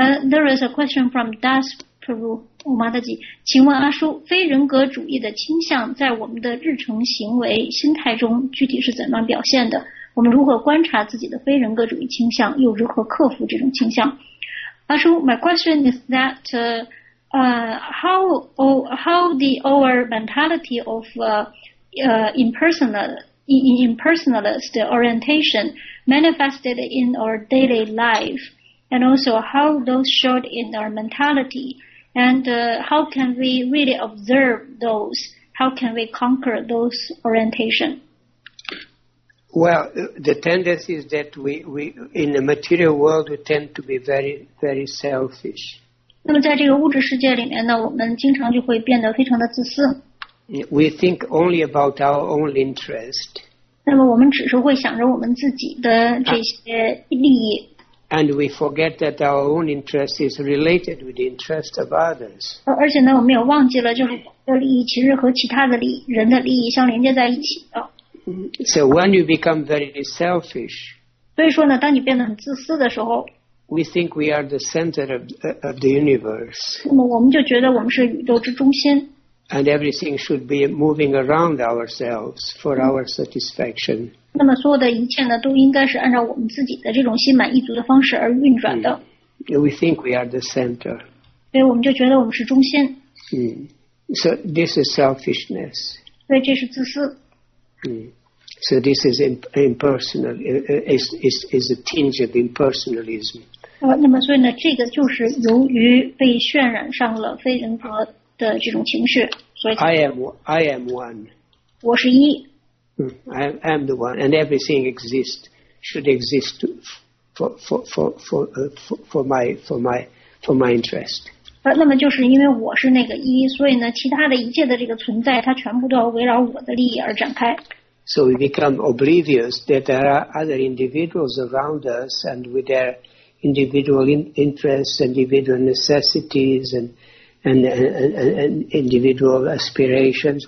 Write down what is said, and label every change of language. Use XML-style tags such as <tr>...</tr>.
<en>There is a question from Das Peru Umadaji.</en> <zh>请问阿叔，非人格主义的倾向在我们的日程行为心态中具体是怎么表现的？我们如何观察自己的非人格主义倾向，又如何克服这种倾向？</zh> <en>阿叔， my question is that how the our mentality of impersonalist orientation manifested in our daily life, and also how those showed in our mentality, and how can we really observe those? How can we conquer those orientation? Well, the tendency is that we in the material world we tend to be very very selfish.</en> <zh>那么在这个物质世界里面呢，我们经常就会变得非常的自私。</zh> <en>We think only about our own interest.</en> <zh>那么我们只是会想着我们自己的这些利益。</zh> <en>And we forget that our own interest is related with the interest of others.</en> <zh>而且呢，我们也忘记了，就是我们的利益其实和其他的利益人的利益相连接在一起的。</zh> <en>So when you become very selfish,</en> <zh>所以说呢，当你变得很自私的时候</zh> <en>We think we are the center of the universe.</en> <zh>那么我们就觉得我们是宇宙之中心。</zh> <en>And everything should be moving around ourselves for our satisfaction.</en> <zh>那么所有的一切呢，都应该是按照我们自己的这种心满意足的方式而运转的。</zh> <en>We think we are the center.</en> <zh>所以我们就觉得我们是中心。</zh> <en>So this is selfishness.</en> <zh>所以这是自私。</zh> <en>So this is impersonal. Is a tinge of impersonalism.</en> <zh>那么所以呢，这个就是由于被渲染上了非人格的这种情绪，所以。</zh> <en>I am one.</en> <zh>我是一。</zh> <en>I am the one, and everything exists should exist for my interest.</en> <zh>那么就是因为我是那个一，所以呢，其他的一切的这个存在，它全部都要围绕我的利益而展开。</zh> <en>So we become oblivious that there are other individuals around us and with their individual interests, individual necessities, and individual aspirations.</en>